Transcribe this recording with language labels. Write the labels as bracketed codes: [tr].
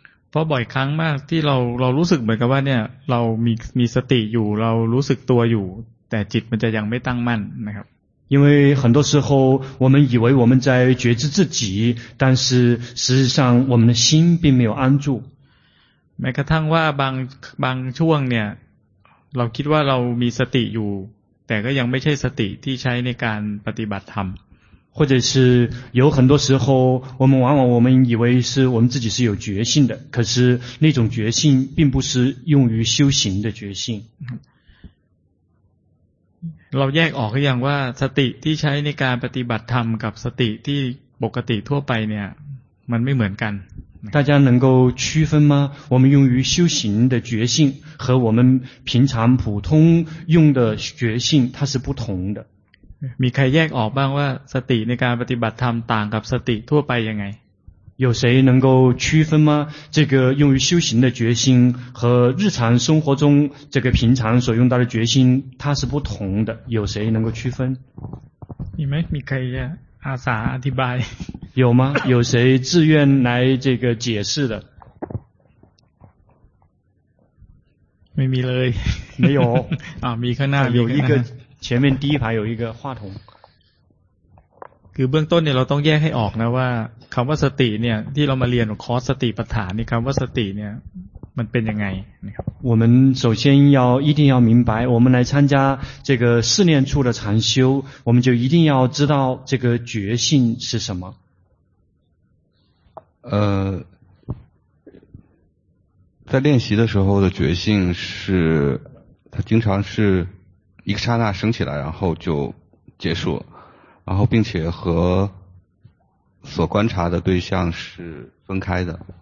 [th] เพราะบ่อยครั้งมากที่เรารู้สึกเหมือนกับว่าเนี่ยเรามีสติอยู่เรารู้สึกตัวอยู่แต่จิตมันจะยังไม่ตั้งมั่นนะครับ [zh] 因为很多时候我们以为我们在觉知自己但是实际上我们的心并没有安住 [th] แม้กระทั่งว่าบางช่วงเนี่ยเราคิดว่าเรามีสติอยู่แต่ก็ยังไม่ใช่สติที่ใช้ในการปฏิบัติธรรม [zh] 或者是有很多时候我们往往我们以为是我们自己是有觉性的可是那种觉性并不是用于修行的觉性 [th] เราแยกออกอย่างว่าสติที่ใช้ในการปฏิบัติธรรมกับสติที่ปกติทั่วไปเนี่ยมันไม่เหมือนกัน [zh] 大家能够区分吗我们用于修行的觉性和我们平常普通用的觉性它是不同的 [th] มีใครแยกออกบ้างว่าสติในการปฏิบัติธรรมต่างกับสติทั่วไปยังไง [zh] 有谁能够区分吗这个用于修行的觉性和日常生活中这个平常所用到的觉性它是不同的有谁能够区分你们 [th] มีใครอาสาอธิบาย [zh] 有吗有谁自愿来这个解释的 [th] ไม่มีเลย [zh] 没有 [th] มีข้างหน้า [zh] 有一个前面第一排有一个话筒 [th] คือเบื้องต้นเนี่ยเราต้องแยกให้ออกนะว่าคำว่าสติเนี่ยที่เรามาเรียนคอร์สสติปัฏฐานนี่คำว่าสติเนี่ย มันเป็นยังไง [zh] 我们首先要一定要明白我们来参加这个四念处的禅修我们就一定要知道这个觉性是什么在练习的时候的觉性是它经常是一个刹那升起来然后就结束然后并且和所观察的对象是分开的